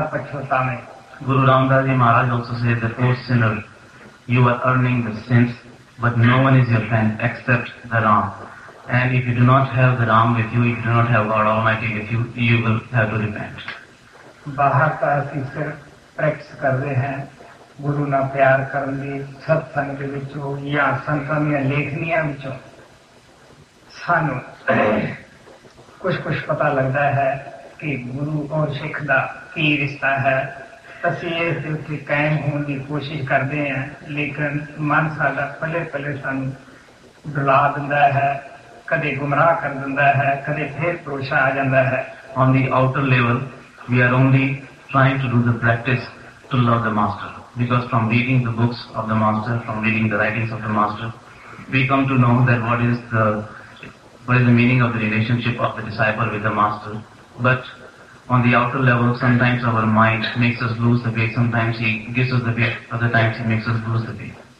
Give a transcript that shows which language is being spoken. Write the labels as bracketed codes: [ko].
[en] Guru Ramdas Ji Maharaj also said that, O sinner, you are earning the sins, but no one is your friend except the Ram. And if you do not have the Ram with you, if you do not have God Almighty with you, you will have to repent. [pa] Bahar ta asi sirf practice karde hain, Guru na pyar karan di, satsang de vichon, ya santan ya lekhniyan vichon, sanu ਕੁਛ ਕੁਛ ਪਤਾ ਲੱਗਦਾ ਹੈ ਕਿ ਗੁਰੂ ਔਰ ਸਿੱਖ ਦਾ ਕੀ ਰਿਸ਼ਤਾ ਹੈ। ਅਸੀਂ ਇਸ ਦੇ ਉੱਤੇ ਕਾਇਮ ਹੋਣ ਦੀ ਕੋਸ਼ਿਸ਼ ਕਰਦੇ ਹਾਂ, ਲੇਕਿਨ ਮਨ ਸਾਡਾ ਪਲੇ ਪਲੇ ਸਾਨੂੰ ਡੁਲਾ ਦਿੰਦਾ ਹੈ, ਕਦੇ ਗੁੰਮਰਾਹ ਕਰ ਦਿੰਦਾ ਹੈ, ਕਦੇ ਫਿਰ ਭਰੋਸਾ ਆ ਜਾਂਦਾ ਹੈ। [en] On the outer level we are only trying to do the practice to love the master, because from reading the books of the master, from reading the writings of the master, we come to know that what is the What is the meaning of the relationship of the disciple with the master? But on the outer level, sometimes our mind makes us lose the way, sometimes he gives us the way, other times he makes us lose the way.